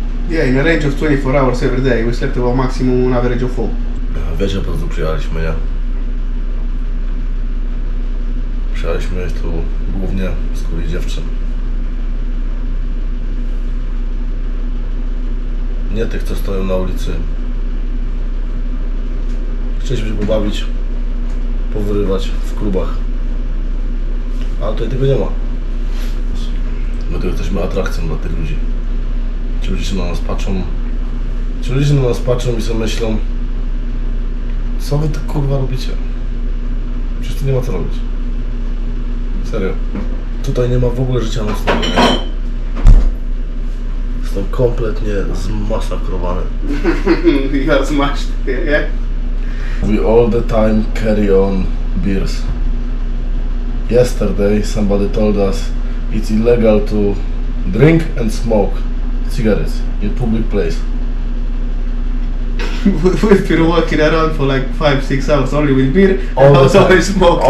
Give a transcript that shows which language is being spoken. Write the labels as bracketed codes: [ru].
[en] Yeah, in a range of 24 hours every day we slept about maximum an average of 4. [pl] Wiecie, po co przyjechaliśmy, nie? Przyjechaliśmy tu głównie z kuli dziewczyn. Nie tych, co stoją na ulicy. Chcieliśmy się pobawić, powyrywać w klubach. Ale tutaj tego nie ma. My tu jesteśmy atrakcją dla tych ludzi. Ci ludzie się na nas patrzą. Ci ludzie się na nas patrzą i sobie myślą, co wy to kurwa robicie? Przecież tu nie ma co robić. Serio. Tutaj nie ma w ogóle życia nocnego. Jestem kompletnie zmasakrowany. [en] You're smashed, yeah? We all the time carry on beers. Yesterday somebody told us it's illegal to drink and smoke cigarettes in public place. We've been walking around for like 5-6 hours only with beer and I was always smoking.